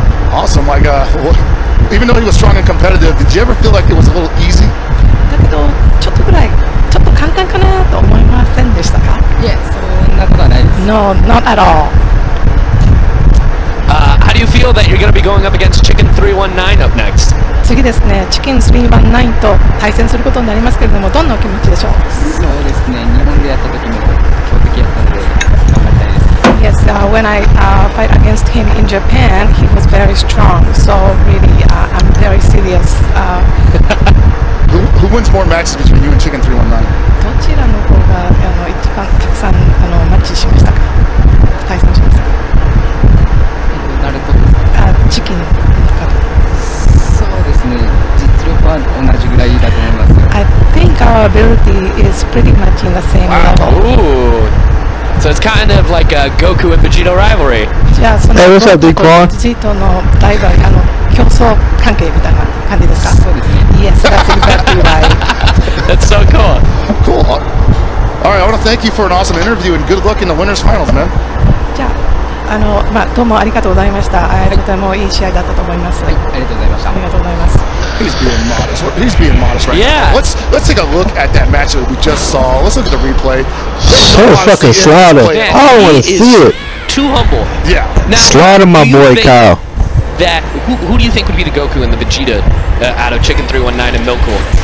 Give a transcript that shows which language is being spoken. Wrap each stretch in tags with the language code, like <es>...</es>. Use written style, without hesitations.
<en>Awesome, like even though he was strong and competitive, did you ever feel like it was a little easy?</en> <ja>だけどちょっとぐらいちょっと簡単かなと思いませんでしたか？ Yes, そんなことはないです。</ja> <en>No, not at all. do you feel that you're going to be going up against Chicken 319 up next?</en> <ja>次ですね、Chicken 319と対戦することになりますけれども、どんなお気持ちでしょう？そうですね、日本でやった時も強敵やったので、頑張りたいです。</ja> <en>Yes, when I fight against him in Japan, he was very strong, so really, I'm very serious. who wins more matches between you and Chicken 319?</en> <ja>どちらの方が一番たくさんマッチしましたか？対戦しましたか？ナルトですか？チキンか。そうですね、実力は同じぐらいだと思います。</ja> <en>I think our ability is pretty much in the same level. So it's kind of like a Goku and Vegeta rivalry. Yeah, so hey, what's up, Big Kwan?</en> <ja>Vegeta のライバル、競争関係みたいな感じですか？そうですね。</ja> <en>Yes, that's exactly right. That's so cool. Cool. All right, I want to thank you for an awesome interview and good luck in the winners finals, man.</en> <ja>じゃあ、まあ、どうもありがとうございました。とてもいい試合だったと思います。はい、ありがとうございました。ありがとうございます。</ja> <en>He's being modest right yeah. now. Let's take a look at that matchup we just saw. Let's look at the replay. So fucking Slaughter. Man, I don't want to see it. Too humble. Yeah. Now, Slaughter, my boy, Kyle. That, who do you think would be the Goku and the Vegeta out of Chicken 319 and Milk Cool?</en>